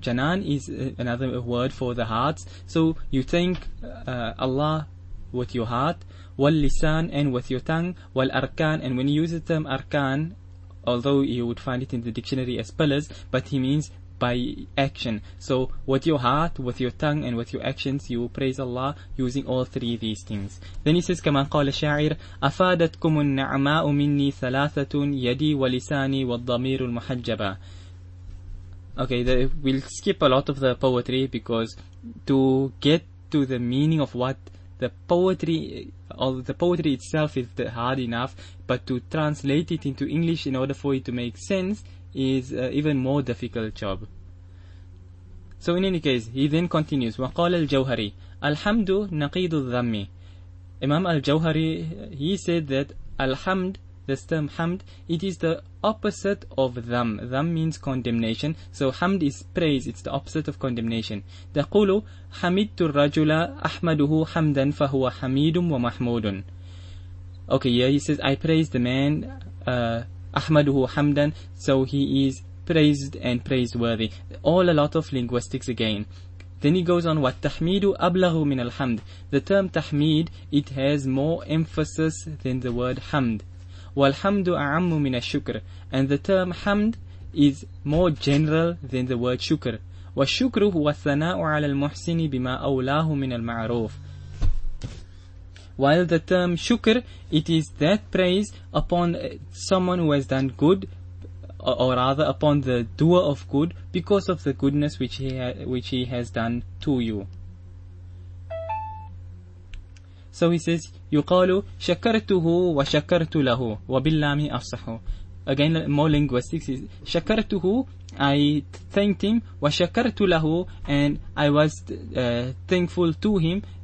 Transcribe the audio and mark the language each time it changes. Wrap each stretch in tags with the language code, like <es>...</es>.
<en>Janan is another word for the hearts. So you thank Allah with your heart, wal lisan and with your tongue, wal arkan. And when you use the term arkan, although you would find it in the dictionary as pillars, but he means by action. So with your heart, with your tongue, and with your actions, you praise Allah using all three these things. Then he says,</en> <ar>كما قال الشاعر أفادتكم النعماء مني ثلاثة يدي ولساني والضمير المحجبة.</ar> <en>Okay, we'll skip a lot of the poetry because to get to the meaning of what the poetry, or the poetry itself, is hard enough, but to translate it into English in order for it to make sense is even more difficult job. So in any case, he then continues.</en> <ar>وقال الجوهري الحمد نقيد الذم.</ar> <en>Imam al-Jawhari, he said that alhamd, this term hamd, it is the opposite of dham. Dham means condemnation. So hamd is praise. It's the opposite of condemnation.</en> <ar>تقول حمدت الرجل أحمده حمدا فهو حميد ومحمود.</ar> <en>Okay, yeah, he says, I praise the man,</en> <ar>أحمده حمدا,</ar> <en>so he is praised and praiseworthy. All a lot of linguistics again. Then he goes on,</en> <ar>وَالتَّحْمِيدُ أَبْلَغُ مِنَ الْحَمْدِ.</ar> <en>The term tahmid, it has more emphasis than the word hamd.</en> <ar>وَالْحَمْدُ أَعَمُّ مِنَ الشُّكْرِ.</ar> <en>And the term hamd is more general than the word shukr.</en> <ar>وَالشُّكْرُ هُوَ الثَّنَاءُ عَلَى الْمُحْسِنِ بِمَا أَوْلَاهُ مِنَ الْمَعْرُوفِ.</ar> <en>While the term shukr, it is that praise upon someone who has done good, or rather upon the doer of good, because of the goodness which he has done to you. So he says,</en> <ar>يُقَالُ شَكَرْتُهُ وَشَكَرْتُ لَهُ وَبِاللَّامِ أَفْصَحُ.</ar> <en>Again, more linguistics is, شَكَرْتُهُ, I thanked him,</en> <ar>وَشَكَرْتُ لَهُ,</ar> <en>and I was thankful to him.</en>